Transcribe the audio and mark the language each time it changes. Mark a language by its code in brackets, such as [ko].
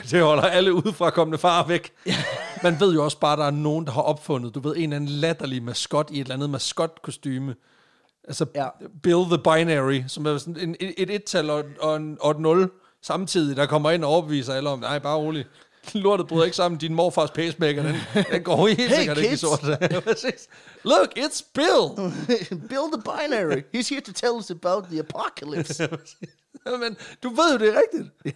[da] Det holder alle udefrakommende farer væk. Ja. Man ved jo også bare, at der er nogen, der har opfundet, du ved, en eller anden latterlig maskot i et eller andet maskot-kostyme. Altså, Bill the Binary, som er sådan et et-tal og et nul samtidig, der kommer ind og overbeviser alle om, nej, bare rolig. Lortet bryder ikke sammen, din morfars pacemaker, den går helt sikkert ikke i sort. [en] Look, it's Bill. Bill the Binary. He's here to tell us about the apocalypse. [da] Men du ved jo, det er rigtigt.